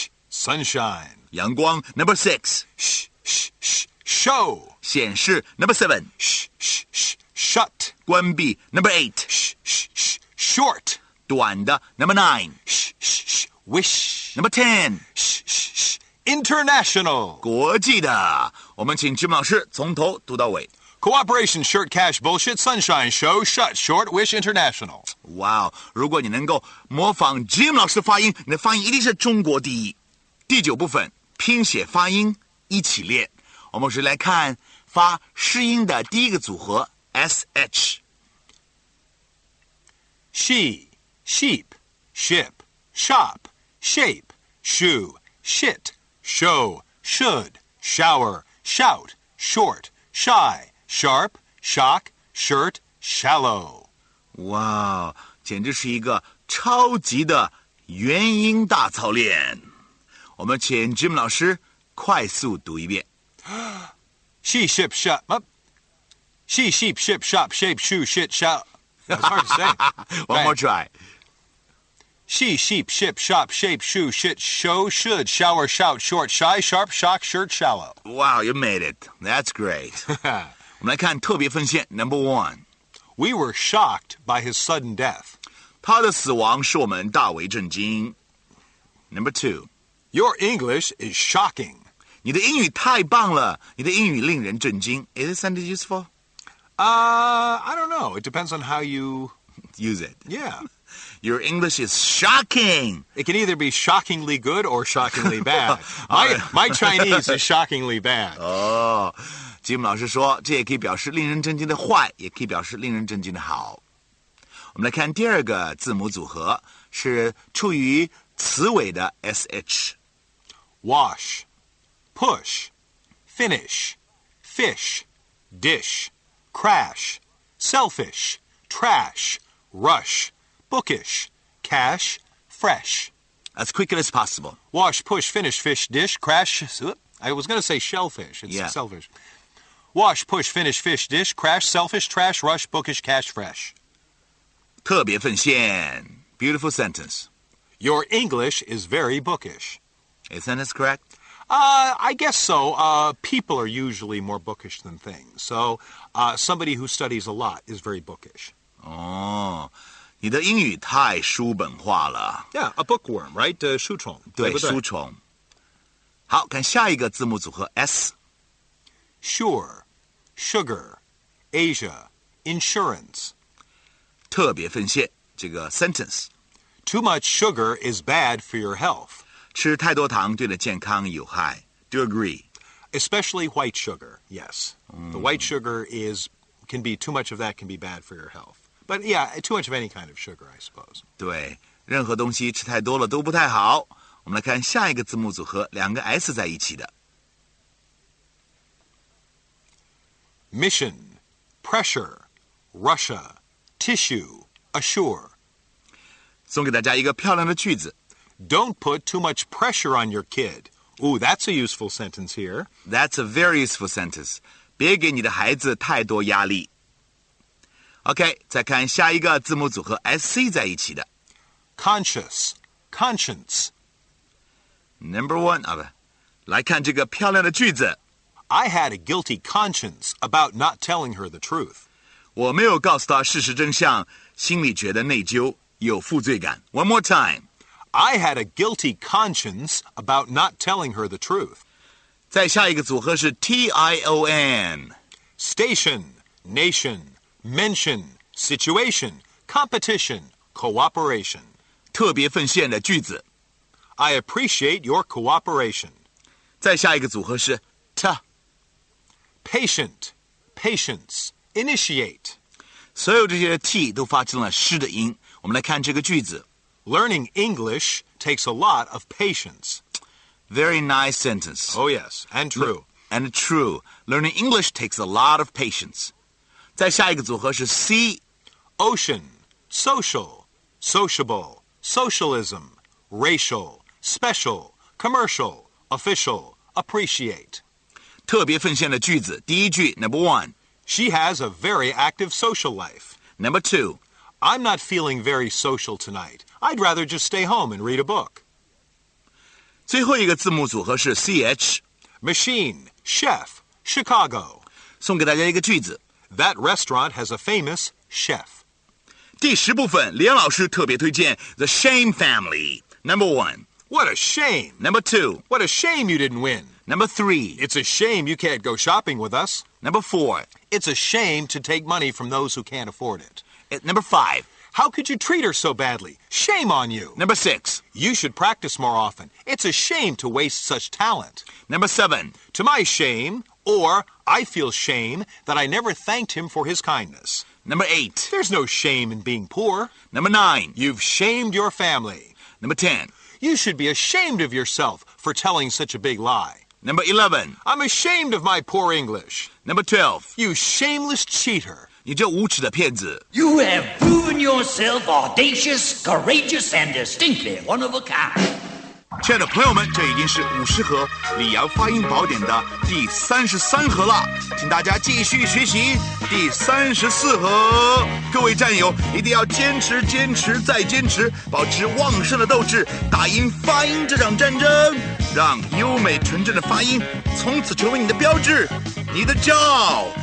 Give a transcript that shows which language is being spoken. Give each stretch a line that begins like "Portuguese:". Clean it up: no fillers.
English: Sunshine.
Chinese: 阳光
English: Number six. Show.
Chinese: 显示
English: Number seven. Shut.
Chinese: 关闭
English: Number eight. Short.
Chinese: 短的
English: Number nine. Wish. Number ten. International.
Chinese: 国际的我们请 Jim 老师从头读到尾。
English: Cooperation, shirt, cash, bullshit, sunshine, show, shut, short, wish, international.
Chinese: Wow, 如果你能够模仿 Jim 老师的发音，你的发音一定是中国第一。第九部分，拼写发音一起练。我们是来看发适音的第一个组合 SH.
English: She, sheep, ship, shop, shape, shoe, shit, show, should, shower, shout, short, shy. Sharp, shock, shirt, shallow.
Chinese: Wow, 简直是一个超级的元音大操练。我们请 Jim 老师快速读一遍。
English: She, ship, shop, up. She, sheep, ship, shop, shape, shoe, shit, shallow. That's hard to say. One more try. She, sheep, ship, shop, shape, shoe, shit, show, should, shower, shout, short, shy, sharp, shock, shirt, shallow. Wow, you made it. That's great.
Chinese: 我们来看特别分线 Number one.
English: We were shocked by his sudden death.
Chinese: 他的死亡使我们大为震惊。
English: Number two. Your English is shocking.
Chinese: 你的英语太棒了，你的英语令人震惊。
English: Is this sentence useful? I don't know. It depends on how you use it. Yeah. Your English is shocking. It can either be shockingly good or shockingly bad. my Chinese is shockingly bad. Oh.
Chinese: 吉姆老师说，这也可以表示令人震惊的坏，也可以表示令人震惊的好。我们来看第二个字母组合，是处于词尾的 sh。
English: Wash, push, finish, fish, dish, crash, selfish, trash, rush, bookish, cash, fresh. As quickly as possible. Wash, push, finish, fish, dish, crash. I was going to say shellfish. It's yeah. Selfish. Wash, push, finish, fish, dish, crash, selfish, trash, rush, bookish, cash, fresh.
Chinese: 特别奉献
English: Beautiful sentence. Your English is very bookish. Isn't this correct? I guess so. People are usually more bookish than things. So somebody who studies a lot is very bookish.
Chinese: Oh, 你的英语太书本化了
English: Yeah, a bookworm, right?
Chinese: 书虫对书虫好，看下一个字母组合 S。
English: Sure, sugar, Asia, insurance.
Chinese: 特别分线这个 sentence。
English: Too much sugar is bad for your health.
Chinese: 吃太多糖对了健康有害。
English: Do agree? Especially white sugar, yes. The white sugar is, can be, too much of that can be bad for your health. But yeah, too much of any kind of sugar, I suppose.
Chinese: 对，任何东西吃太多了都不太好。我们来看下一个字母组合，两个 S 在一起的。
English: Mission, pressure, Russia, tissue, assure.
Chinese: 送给大家一个漂亮的句子。
English: Don't put too much pressure on your kid. Ooh, that's a useful sentence here. That's a very useful sentence.
Chinese: 别给你的孩子太多压力。OK, 再看下一个字母组合 SC 在一起的。
English: Conscious, conscience. Number one, okay.
Chinese: 来看这个漂亮的句子。
English: I had a guilty conscience about not telling her the truth.
Chinese: 我没有告诉她事实真相，心里觉得内疚，有负罪感。
English: One more time. I had a guilty conscience about not telling her the truth.
Chinese: 再下一个组合是 T-I-O-N.
English: Station, nation, mention, situation, competition, cooperation.
Chinese: 特别奉献的句子。
English: I appreciate your cooperation.
Chinese: 再下一个组合是 T.
English: Patient, patience, initiate.
Chinese: 所有这些 T 都发成了 sh 的音。我们来看这个句子。
English: Learning English takes a lot of patience. Very nice sentence. Oh yes, and true. And true. Learning English takes a lot of patience.
Chinese: 再下一个组合是 C.
English: Ocean, social, sociable, socialism. Racial, special, commercial, official, appreciate.
Chinese: 特别奉献的句子。第一句 ,
English: number one. She has a very active social life. Number two. I'm not feeling very social tonight. I'd rather just stay home and read a book.
Chinese: 最后一个字母组合是 CH.
English: Machine, chef, Chicago.
Chinese: 送给大家一个句子。
English: That restaurant has a famous chef.
Chinese: 第十部分，李阳老师特别推荐 The Shame Family.
English: Number one. What a shame. Number two. What a shame you didn't win. Number three. It's a shame you can't go shopping with us. Number four. It's a shame to take money from those who can't afford it. Number five. How could you treat her so badly? Shame on you. Number six. You should practice more often. It's a shame to waste such talent. Number seven. To my shame, or I feel shame that I never thanked him for his kindness. Number eight. There's no shame in being poor. Number nine. You've shamed your family. Number 10. You should be ashamed of yourself for telling such a big lie. Number 11. I'm ashamed of my poor English. Number 12. You shameless cheater.
Chinese: 你这无耻的骗子。
English: You have proven yourself audacious, courageous, and distinctly one of a kind.
Chinese: 亲爱的朋友们，这已经是50盒李阳发音宝典的第33盒了。请大家继续学习第34盒。各位战友一定要坚持坚持再坚持，保持旺盛的斗志，打赢发音这场战争，让优美纯正的发音从此成为你的标志，你的骄傲。